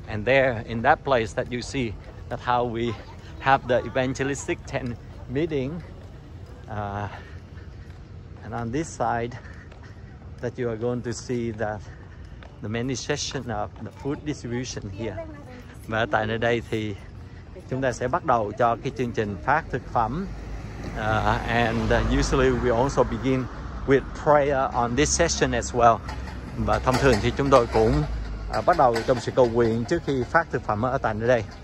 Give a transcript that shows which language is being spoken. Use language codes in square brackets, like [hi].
[en] And there in that place that you see, that's how we have the evangelistic tent meeting. And on this side that you are going to see that the many session of the food distribution here. [vi] Và tại nơi đây thì chúng ta sẽ bắt đầu cho cái chương trình phát thực phẩm. [en] And usually we also begin with prayer on this session as well. [vi] Và thông thường thì chúng tôi cũng bắt đầu trong sự cầu nguyện trước khi phát thực phẩm ở tại nơi đây.